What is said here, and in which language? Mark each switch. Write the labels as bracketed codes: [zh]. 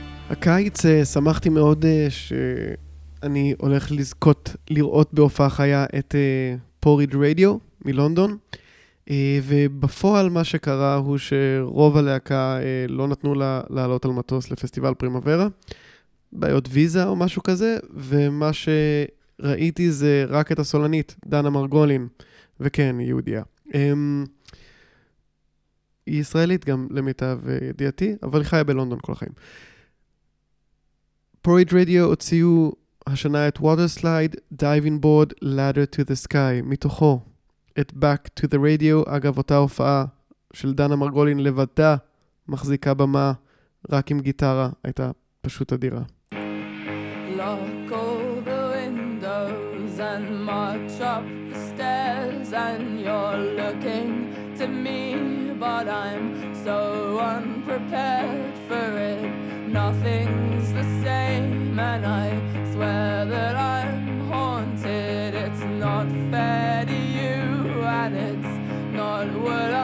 [he] הקיץ שמחתי מאוד אני הולך לזכות לראות בהופעה חיה את פוריד רדיו מלונדון, ובפועל מה שקרה הוא שרוב הלהקה לא נתנו לה לעלות על מטוס לפסטיבל פרימוורה, בעיות ויזה או משהו כזה, ומה שראיתי זה רק את הסולנית דנה מרגולין, וכן יהודיה. היא ישראלית גם למיטב ידיעתי, אבל היא חיה בלונדון כל החיים. פוריד רדיו הוציאו השנה את Water Slide, Diving Board, Ladder to the Sky, מתוכו את Back to the Radio. אגב, אותה הופעה של דנה מרגולין לבדה מחזיקה במה רק עם גיטרה, הייתה פשוט אדירה. [en] Lock all the windows and march up the stairs and you're looking to me but I'm so unprepared for it. Nothing's the same and I swear that I'm haunted. It's not fair to you and it's not worth it.